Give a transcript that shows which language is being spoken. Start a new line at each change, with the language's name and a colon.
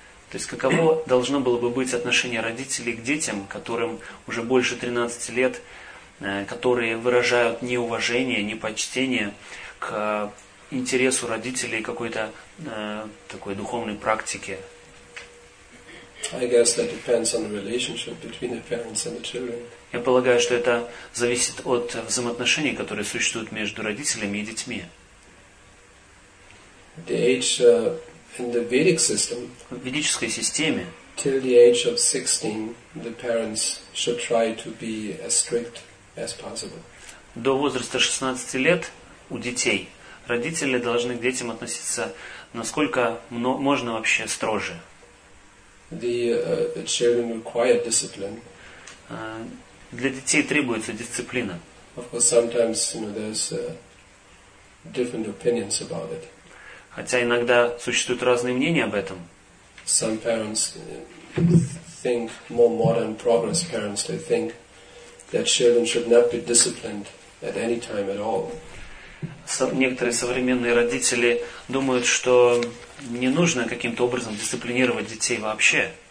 Russian: То есть каково должно было бы быть отношение родителей к детям, которым уже больше 13 лет, которые выражают неуважение, непочтение к интересу родителей какой-то такой духовной практики.
English: I guess that depends on the relationship between the parents and the children.
Russian: Я полагаю, что это зависит от взаимоотношений, которые существуют между родителями и детьми.
English: The age in the Vedic system.
Russian: В ведической системе.
English: Till the age of 16, the parents should try to be as strict as possible.
Russian: До возраста 16 лет у детей родители должны к детям относиться насколько можно вообще строже.
English: The children require discipline.
Russian: Для детей требуется дисциплина.
English: Of course, sometimes, you know, there's different opinions about it.
Russian: Хотя иногда существуют разные мнения об этом.
English: Some parents think more modern progress parents, they think that children should not be disciplined at any time at all.
Russian: Некоторые современные родители думают, что не нужно каким-то образом дисциплинировать детей вообще.